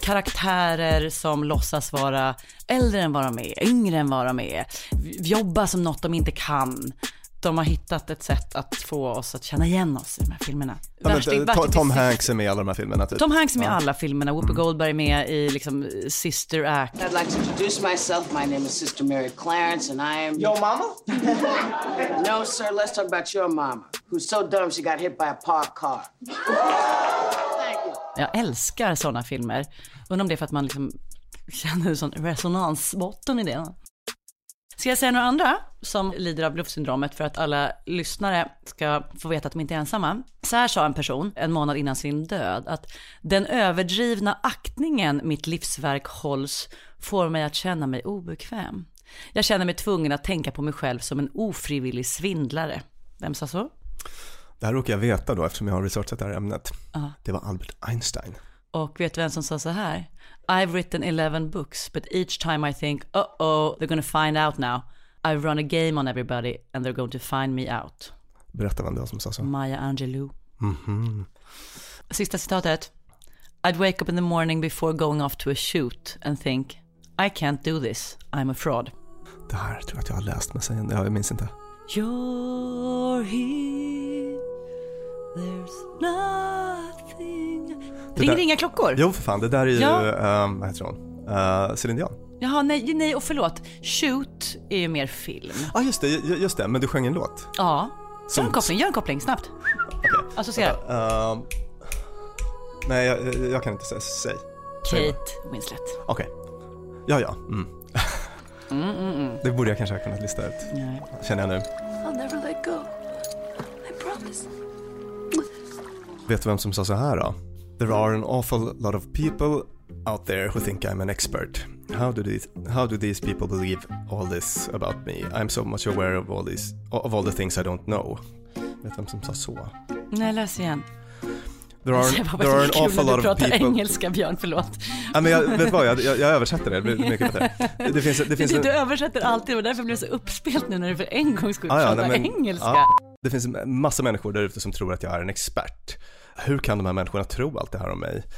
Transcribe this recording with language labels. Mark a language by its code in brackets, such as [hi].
[sv] Karaktärer som låtsas vara äldre än vad de är, yngre än vad de är. Jobba som något de inte kan. De har hittat ett sätt att få oss att känna igen oss i de här filmerna. Ja, men, Tom Hanks är med i alla de här filmerna. Typ. Tom Hanks är med i alla filmerna. Whoopi Goldberg är med i liksom, Sister Act. [en] I'd like to introduce myself. My name is Sister Mary Clarence and I am... Your mama? No, sir. Let's talk about your mama. Who's so dumb she got hit by a parked car. Thank you. [sv] Jag älskar såna filmer. Undrar om det är för att man liksom känner en sån resonansbotten i det. Ska jag säga några andra som lider av bluffsyndromet för att alla lyssnare ska få veta att de inte är ensamma? Så här sa en person en månad innan sin död, att den överdrivna aktningen mitt livsverk hålls får mig att känna mig obekväm. Jag känner mig tvungen att tänka på mig själv som en ofrivillig svindlare. Vem sa så? Det här råkar jag veta då eftersom jag har researchat det här ämnet. Uh-huh. Det var Albert Einstein. Och vet du vem som sa så här? [en] I've written 11 books, but each time I think, uh-oh, they're gonna find out now. I've run a game on everybody and they're going to find me out. [sv] Berätta vem det var som sa så. Maya Angelou. Mm-hmm. Sista citatet. [en] I'd wake up in the morning before going off to a shoot and think, I can't do this, I'm a fraud. [sv] Det här tror jag att jag har läst med sig. Ja, jag minns inte. [en] You're here, there's nothing. [sv] Ringer inga klockor? Jo, för fan, det där är ju, vad heter hon? Céline Dion. Jaha, nej, och förlåt. Shoot är ju mer film. Ja, ah, just det, men du sjöng en låt. Ja, gör en koppling, snabbt. Okej. Associera. Nej, jag kan inte säga. Säg. Kate Winslet. Okej. Okay. Ja. Det borde jag kanske ha kunnat lista ut. Nej. Känner jag nu. [en] I'll never let go. I promise. [sv] Vet du vem som sa så här då? [en] There are an awful lot of people out there who think I'm an expert. How do these people believe all this about me? I'm so much aware of all the things I don't know. [sv] Vet vem som sa så? Nej, läs igen. [en] There are an awful lot of people. [sv] Prata engelska, Björn, förlåt. Ja, men jag översätter det. Du översätter alltid, och därför blir det så uppspelt nu när du för en gång skulle prata engelska. Ja. Det finns massa människor där ute som tror att jag är en expert. Hur kan de här människorna tro allt det här om mig?